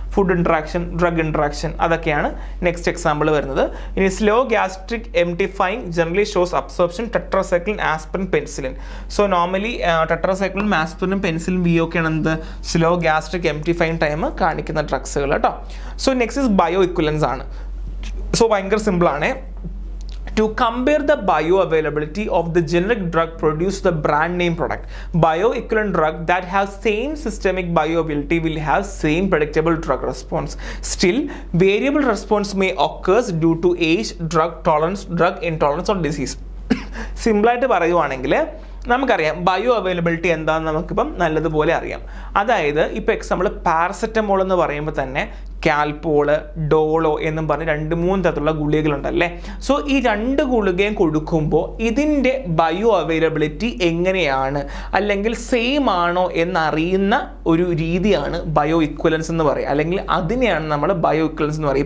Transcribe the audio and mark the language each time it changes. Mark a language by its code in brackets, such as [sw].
[ml] Food interaction, drug interaction, അതൊക്കെയാണ് next example വരുന്നത്. [en] ഇനി slow gastric emptifying generally shows absorption tetracycline aspirin penicillin. [ml] So normally tetracycline ആസ്പിറിനും പെൻസിലും വിയോക്കെയാണ് എന്ത്, slow gastric എംപ്റ്റിഫൈങ് time കാണിക്കുന്ന ഡ്രഗ്സുകൾ കേട്ടോ. സോ നെക്സ്റ്റ് ഇസ് ബയോ ഇക്വലൻസ് ആണ്. സോ ഭയങ്കര സിമ്പിളാണ്. [en] To compare the bioavailability of the generic drug produced the brand name product, bioequivalent drug that has same systemic bioavailability will have same predictable drug response. Still, variable response may occurs due to age, drug tolerance, drug intolerance or disease. [ml] Simple ആയിട്ട് പറയുവാണെങ്കിൽ നമുക്കറിയാം bio availability എന്താണെന്ന് നമുക്കിപ്പം നല്ലതുപോലെ അറിയാം. അതായത് ഇപ്പോൾ example paracetamol എന്ന് പറയുമ്പോൾ തന്നെ കാൽപോൾ, ഡോളോ എന്നും പറഞ്ഞ് രണ്ട് മൂന്ന് തരത്തിലുള്ള ഗുളികകളുണ്ടല്ലേ. സോ ഈ രണ്ട് ഗുളികയും കൊടുക്കുമ്പോൾ ഇതിൻ്റെ ബയോ അവൈലബിലിറ്റി എങ്ങനെയാണ് അല്ലെങ്കിൽ സെയിം ആണോ എന്നറിയുന്ന ഒരു രീതിയാണ് ബയോ ഇക്വലൻസ് എന്ന് പറയുക, അല്ലെങ്കിൽ അതിനെയാണ് നമ്മൾ ബയോ ഇക്വലൻസ് എന്ന് പറയുക.